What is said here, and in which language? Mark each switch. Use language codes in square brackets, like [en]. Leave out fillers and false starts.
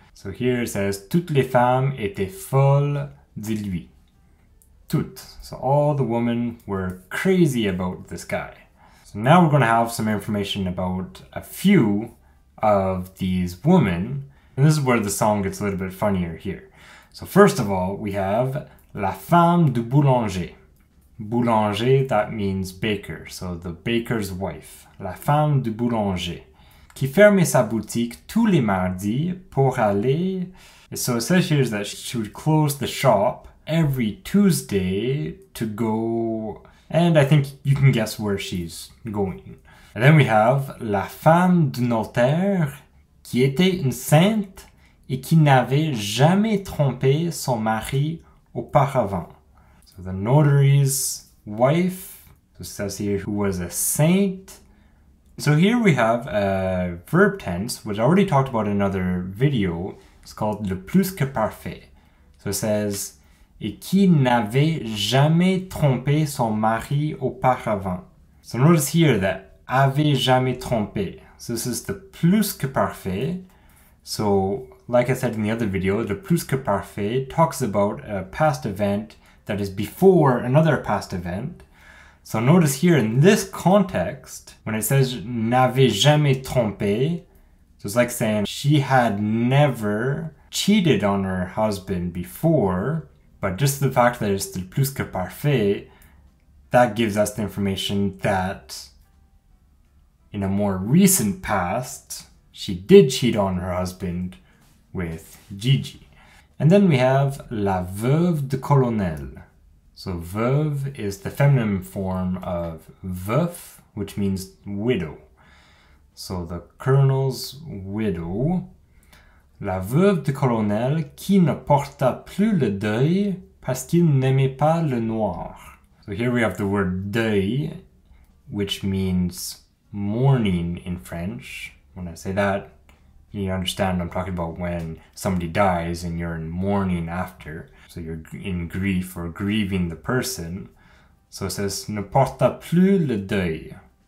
[en] So here it says, [fr] toutes les femmes étaient folles de lui. Toutes. [en] So all the women were crazy about this guy. So now we're going to have some information about a few of these women. And this is where the song gets a little bit funnier here. So first of all, we have [fr] la femme du boulanger. [en] Boulanger, that means baker. So the baker's wife. [fr] La femme du boulanger. Qui fermait sa boutique tous les mardis pour aller... [en] And so it says here that she would close the shop every Tuesday to go... And I think you can guess where she's going. And then we have [fr] la femme du notaire qui était une sainte et qui n'avait jamais trompé son mari auparavant. [en] So the notary's wife, so it says here, who was a saint. So here we have a verb tense, which I already talked about in another video. It's called [fr] le plus que parfait. [en] So it says, [fr] et qui n'avait jamais trompé son mari auparavant. [en] So notice here that [fr] avait jamais trompé. [en] So this is the plus que parfait. So like I said in the other video, [fr] le plus que parfait [en] talks about a past event that is before another past event. So notice here in this context, when it says [fr] n'avait jamais trompé, [en] so it's like saying she had never cheated on her husband before, but just the fact that it's [fr] le plus que parfait, [en] that gives us the information that in a more recent past, she did cheat on her husband with Gigi. And then we have [fr] la veuve de colonel. [en] So veuve is the feminine form of veuf, which means widow. So the colonel's widow. [fr] La veuve du colonel qui ne porta plus le deuil parce qu'il n'aimait pas le noir. [en] So here we have the word deuil, which means mourning in French. When I say that, you understand I'm talking about when somebody dies and you're in mourning after. So you're in grief or grieving the person. So it says, [fr] ne porta plus le deuil.